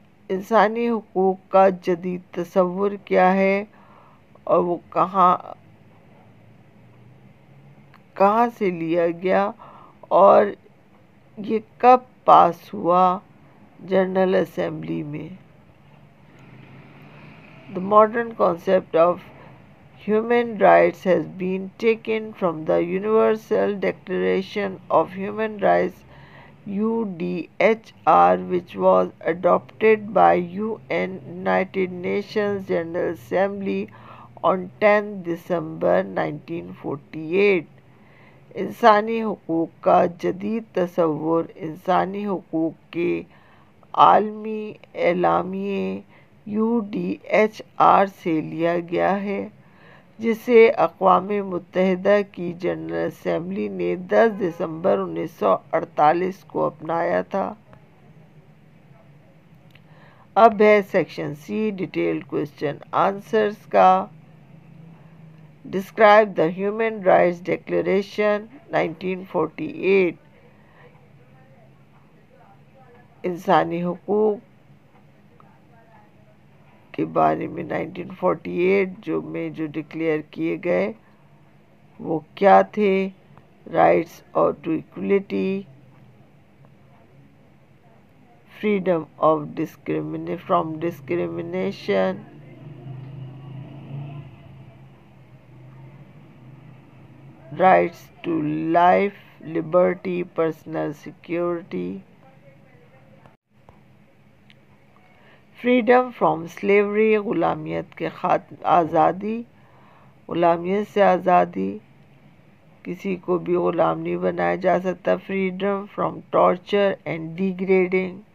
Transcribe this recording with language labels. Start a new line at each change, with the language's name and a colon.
Urdu: انسانی حقوق کا جدید تصور کیا ہے اور وہ کہاں سے لیا گیا اور یہ کب پاس ہوا جنرل اسمبلی میں.
English: The modern concept of human rights has been taken from the Universal Declaration of Human Rights UDHR which was adopted by UN United Nations General Assembly on 10 December 1948.
Urdu: انسانی حقوق کا جدید تصور انسانی حقوق کے عالمی اعلامیے UDHR سے لیا گیا ہے جسے اقوام متحدہ کی جنرل اسمبلی نے 10 دسمبر 1948 کو اپنایا تھا. اب ہے section C detail question answers کا.
English: Describe the human rights declaration 1948.
Urdu: انسانی حقوق کے بارے میں 1948 جو میں جو ڈکلیئر کیے گئے وہ کیا تھے؟
English: rights of to equality, freedom of discrimination from discrimination, rights to life, liberty, personal security, freedom from slavery,
Urdu: غلامیت کے آزادی, غلامیت سے آزادی, کسی کو بھی غلام نہیں بنایا جا سکتا,
English: freedom from torture and degrading,